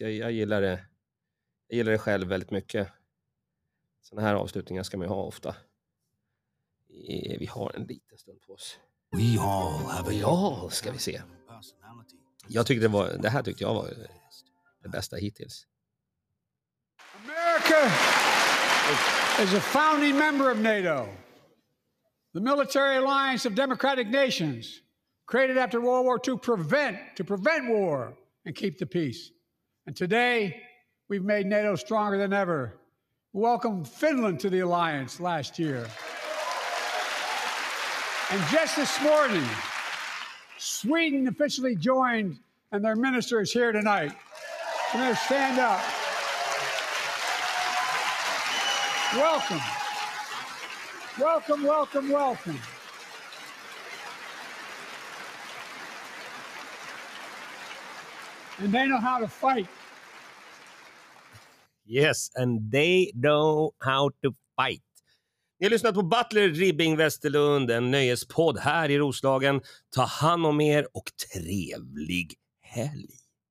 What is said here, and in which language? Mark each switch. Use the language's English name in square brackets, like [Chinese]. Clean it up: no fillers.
[Swedish] Jag gillar det själv väldigt mycket. Såna här avslutningar ska man ju ha ofta. Vi har en liten stund på oss. [English] We all have a [Swedish] ska vi se. Jag tyckte det här var det bästa hittills. [English] America! As a founding member of NATO, the military alliance of democratic nations created after World War II to prevent war and keep the peace. And today, we've made NATO stronger than ever. Welcome Finland to the alliance last year. And just this morning, Sweden officially joined, and their minister is here tonight. Can I stand up? Welcome. Welcome, welcome, welcome. And they know how to fight. Yes, and they know how to fight. [Swedish] Ni har lyssnat på Butler Ribbing Västerlund, en nöjespodd här i Roslagen. Ta hand om er och trevlig helg.